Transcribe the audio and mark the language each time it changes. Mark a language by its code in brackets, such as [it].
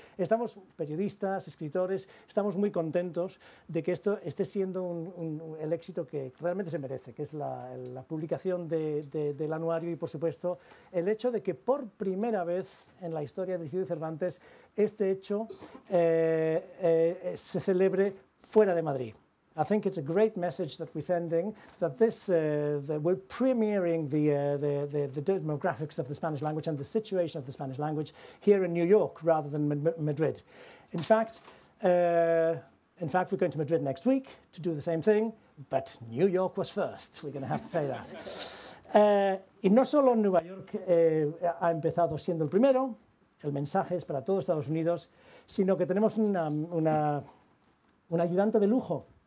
[es] Estamos periodistas, escritores, estamos muy contentos de que esto esté siendo el éxito que realmente se merece, que es la publicación del anuario y, por supuesto, el hecho de que por primera vez en la historia del Instituto Cervantes este hecho se celebre fuera de Madrid. [en] I think it's a great message that we're sending, that this that we're premiering the demographics of the Spanish language and the situation of the Spanish language here in New York rather than Madrid. In fact, we're going to Madrid next week to do the same thing, but New York was first. We're going to have to say that. [es] Y no solo Nueva York ha empezado siendo el primero, el mensaje es para todos Estados Unidos, sino que tenemos un ayudante de lujo.